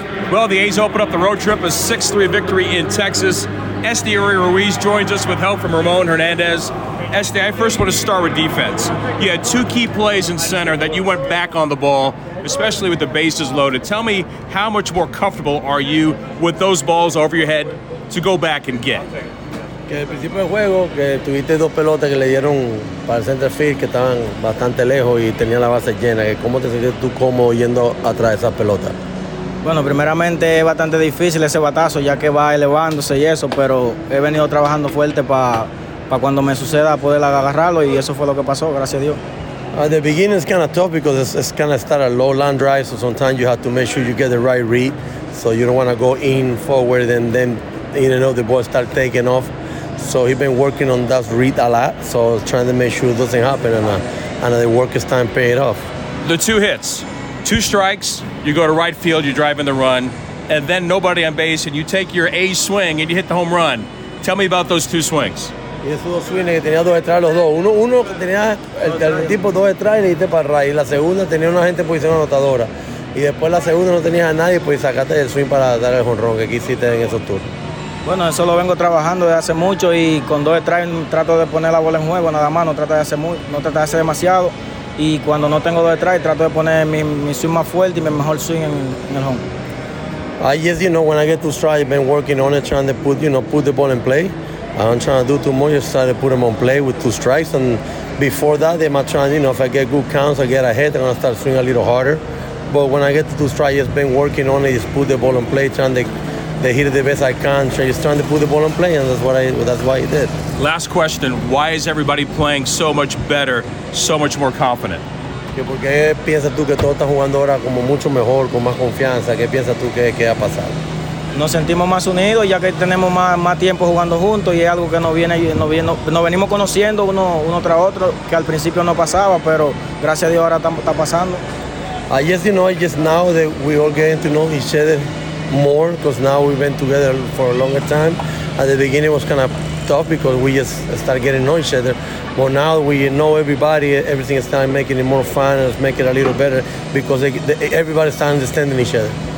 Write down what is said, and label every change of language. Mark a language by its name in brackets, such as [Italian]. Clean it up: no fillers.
[English] Well, the A's open up the road trip, a 6-3 victory in Texas. Este Uribe joins us with help from Ramon Hernandez. SD, I first want to start with defense. You had two key plays in center that you went back on the ball, especially with the bases loaded. Tell me, how much more comfortable are you with those balls over your head to go back and get? [Spanish] Que al principio del juego, que tuviste dos pelotas que le dieron para el center field que estaban bastante lejos y tenían la base llena. ¿Cómo te sentiste tú como yendo atrás de esas pelotas? Bueno, primeramente es bastante difícil ese batazo ya que va elevándose y eso, pero he venido trabajando fuerte para cuando me suceda poder agarrarlo y eso fue lo que pasó, gracias a Dios. [English] The beginning is kind of tough because it's kind of start a low line drive, so sometimes you have to make sure you get the right read, so you don't want to go in forward and then you know the ball start taking off. So he's been working on that read a lot, so trying to make sure it doesn't happen, and the work is time paid off. The two hits, two strikes, you go to right field, you drive in the run, and then nobody on base, and you take your A swing, and you hit the home run. Tell me about those two swings. [Spanish] Y esos dos swings que tenía dos detrás los dos. Uno tenía el tipo dos detrás y le diste para right, y la segunda tenía una gente en posición anotadora. Y después la segunda no tenía a nadie, pues sacaste el swing para dar el home run que quisiste en esos turnos. Bueno, eso lo vengo trabajando desde hace mucho y con dos strikes trato de poner la bola en juego, nada más, no trato de hacer demasiado. Y cuando no tengo dos strikes trato de poner mi swing más fuerte y mi mejor swing en el home. [English] I just, you know, when I get two strikes, I've been working on it, trying to put, you know, put the ball in play. I don't try to do too much, just try to put them on play with two strikes. And before that, they might try, you know, if I get good counts, I get ahead, I'm going to start swinging a little harder. But when I get to two strikes, I've been working on it, just put the ball in play, trying to... They hit it the best I can. So he's trying to put the ball in play, and that's why he did. Last question: why is everybody playing so much better, so much more confident? [Spanish] ¿Por qué piensas tú que todo está jugando ahora como mucho mejor, con más confianza? ¿Qué piensas tú que ha pasado? Nos sentimos más unidos ya que tenemos más tiempo jugando juntos y es algo que nos venimos conociendo uno tras otro que al principio no pasaba, pero gracias a Dios ahora está pasando. [English] I just now that we all getting to know each other more, because now we've been together for a longer time. At the beginning it was kind of tough because we just started getting to know each other, but now we know everybody, everything is starting making it more fun, and it's making it a little better because everybody starts understanding each other.